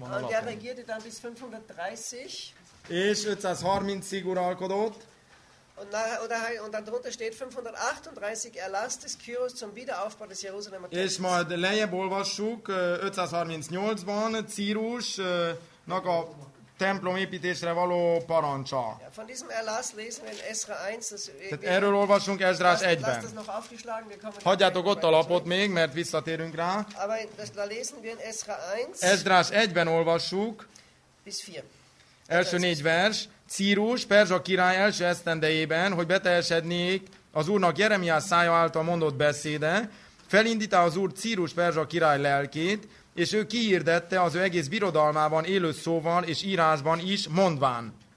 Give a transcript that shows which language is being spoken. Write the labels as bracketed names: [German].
[German] Und er regierte dann bis 530. [Hungarian] És 530-ig uralkodott. [German] Und darunter steht 538 Erlass des Kyros zum Wiederaufbau des Jerusalemer Tempels. [Hungarian] És majd lejjebb olvassuk 538-ban Círusnak a templom építésre való parancsa. [German] Ja, von diesem Erlass lesen wir in Esra 1. [Hungarian] Tehát erről olvassunk Esdrás 1-ben. Hagyjátok ott a lapot még, mert visszatérünk rá. [German] Aber das lesen wir in Esra 1. [Hungarian] Esdrás 1-ben olvassuk. [German] Bis 4. [Hungarian] Első négy vers. Círus, perzsa király első esztendejében, hogy beteljesednék az úrnak Jeremiás szája által mondott beszéde, felindítá az úr Círus, perzsa király lelkét, és ő kihirdette az ő egész birodalmában élő szóval és írásban is mondván.